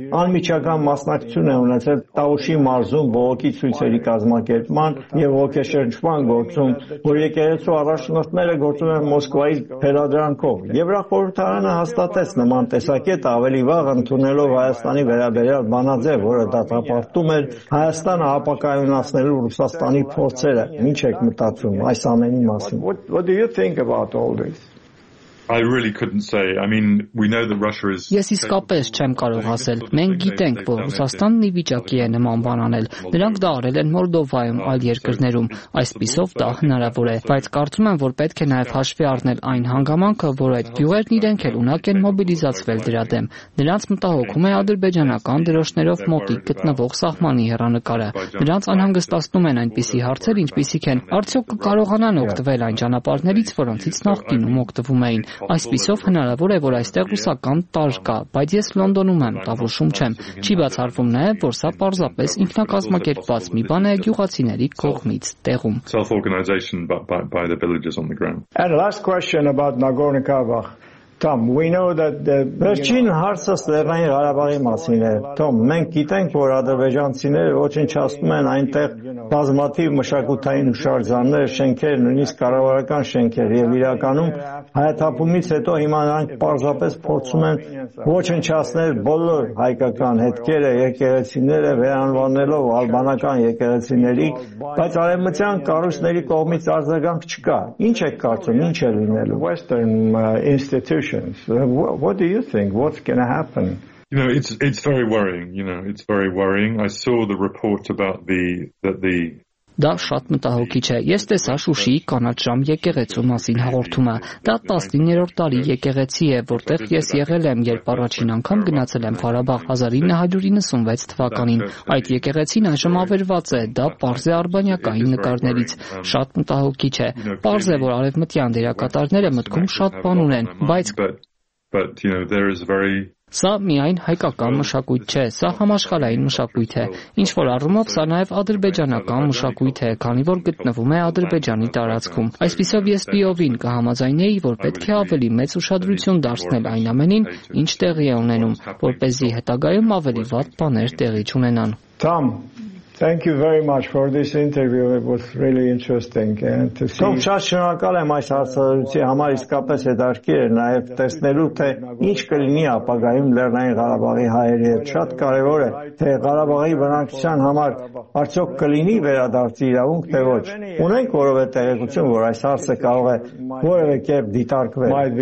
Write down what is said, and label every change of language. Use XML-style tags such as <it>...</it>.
<hy>անմիջական մասնակցություն է ունեցել Տաուշի մարզում բողոքի ցույցերի կազմակերպման եւ ոգեշնչման գործում, որ եկեղեցու առաջնորդները գործում են Մոսկվայի փելադրանքով։ Եվրախորհրդարանը հաստատեց նման տեսակետ ավելի վաղ, ընդունելով Հայաստանի վերաբերյալ բանաձև, որը դատապարտում էր Հայաստանը ապակայունացնելու Ռուսաստանի փորձերը։ Ինչ եք մտածում այս ամենի մասին?</hy> <en>What do you think about all this? I really couldn't say. I mean, we know that Russia is.</en> <hy>Ես իսկապես չեմ կարող ասել։ Մենք գիտենք, որ Ռուսաստանն ի վիճակի է նման բան անել։ Նրանք դա արել են Մոլդովայում, այլ երկրներում, այսպիսով դա հնարավոր է, բայց կարծում եմ, որ պետք է նաև հաշվի առնել այն հանգամանքը, որ այդ գյուղերն իրենք էլ ունակ են մոբիլիզացվել դրա դեմ։ Նրանց մտահոգում է ադրբեջանական դրոշներով մոտիկ գտնվող սահմանի հեռանկարը։ Նրանց անհանգստացնում են այնպիսի հարցեր, ինչպիսիք են. Արդյոք կարողանան օգտվել այն ճանապարհներից, որոնցից նախկինում օգտվում էին։ Այսպիսով հնարավոր է, որ այստեղ ռուսական տարր կա, բայց ես Լոնդոնում եմ, Տավուշում չեմ։ Չի բացառվում նաև, որ սա պարզապես ինքնակազմակերպված մի բան է գյուղացիների կողմից տեղում։</hy> <en>Self-organization by the villagers on the ground. And last question about Nagorno-Karabakh. Tom, we know that the</en> <hy>Վերջին հարցը Լեռնային Ղարաբաղի մասին է։ Tom, մենք գիտենք, որ ադրբեջանցիները ոչնչացնում են այնտեղ բազմաթիվ մշակութային հուշարձաններ, շենքեր, նույնիսկ կառավարական շենքեր, եւ իրականում հայաթափումից հետո հիմա նրանք պարզապես փորձում են ոչնչացնել բոլոր հայկական հետքերը, եկեղեցիները վերանվանելով ալբանական եկեղեցիների, բայց արևմտյան կառույցների կողմից արձագանք չկա։ Ի՞նչ է կարծում, ի՞նչ է լինելու։</hy> <en>What do you think? What's going to happen? You know, it's very worrying. You know, it's very worrying. I saw the report about the</en> <hy>Դա շատ մտահոգիչ է։ Ես տեսա Շուշիի կանաչ ժամ եկեղեցու մասին հաղորդումը։ Դա 19-րդ տարի եկեղեցի է, որտեղ ես եղել եմ, երբ առաջին անգամ գնացել եմ Ղարաբաղ 1996 թվականին։ Այդ եկեղեցին այժմ ավերված է, դա պարզ է արբանյակային նկարներից։ Շատ մտահոգիչ է։ Պարզ է, որ արևմտյան դերակատարները մտքում շատ բան ունեն, բայց Սա միայն հայկական մշակույթ չէ, սա համաշխարհային մշակույթ է, ինչ որ առումով սա նաև ադրբեջանական մշակույթ է, քանի որ գտնվում է Ադրբեջանի տարածքում։ Այսպիսով ես Պիովին կհամաձայնեի, որ պետք է ավելի մեծ ուշադրություն դարձնել այն ամենին, ինչ տեղի է ունենում, որպեսզի հետագայում ավելի վատ բաներ տեղի չունենան։</hy> <en>Tom, thank you very much for this interview. It was really interesting and to see.</en> <hy>Ես շատ շնորհակալ եմ այս հարցերի համար, իսկապես հետաքրքիր է նաև տեսնելու, թե ինչ կլինի ապագայում Լեռնային Ղարաբաղի հայերի հետ։ Շատ կարևոր է, թե Ղարաբաղի բնակչության համար արդյոք կլինի վերադարձի իրավունք, թե ոչ։ Ունենք որևէ տեղեկություն, որ այս հարցը կարող է որևէ կերպ դիտարկվել։</hy>